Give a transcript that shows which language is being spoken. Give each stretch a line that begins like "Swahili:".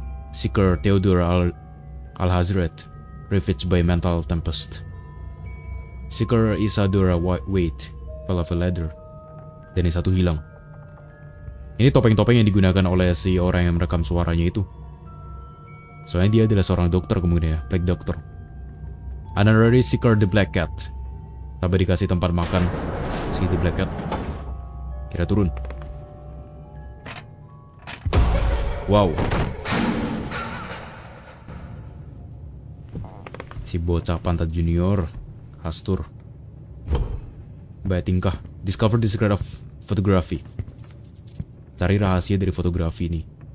English: Seeker Theodore Alhazred ravaged by mental tempest. Seeker Isadora Waite fell off a ladder.
Indonesian: Dan yang satu hilang. Ini topeng-topeng yang digunakan oleh si orang yang merekam suaranya itu. Soalnya dia adalah seorang dokter kemudian ya, Black Doctor.
English: Honorary Seeker the Black Cat.
Indonesian: Sampai dikasih tempat makan si the Black Cat. Kira turun. Wow. Si bocah pantat junior, Hastur. Baik tingkah.
English: Discover the secret of photography.
Indonesian: Cari rahasia dari fotografi ini.